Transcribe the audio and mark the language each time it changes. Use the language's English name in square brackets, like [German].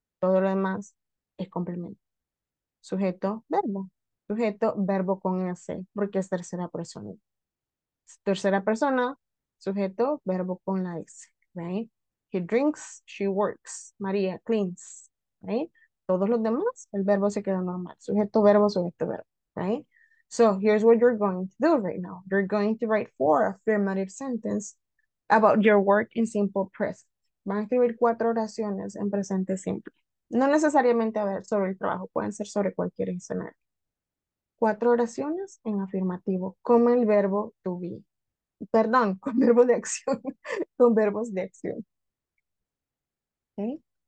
[Spanish] Todo lo demás es complemento. Sujeto, verbo. Sujeto, verbo con ese, porque es tercera persona. Tercera persona, sujeto, verbo con la S, right? [English] He drinks, she works, María cleans, right? [Spanish] Todos los demás, el verbo se queda normal. Sujeto, verbo, right? [English] So here's what you're going to do right now. You're going to write four affirmative sentences about your work in simple present. [Spanish] Van a escribir cuatro oraciones en presente simple. No necesariamente a ver sobre el trabajo, pueden ser sobre cualquier escenario. Cuatro oraciones en afirmativo, con el verbo to be. Perdón, con verbo de acción. Con verbos de acción. ¿Okay?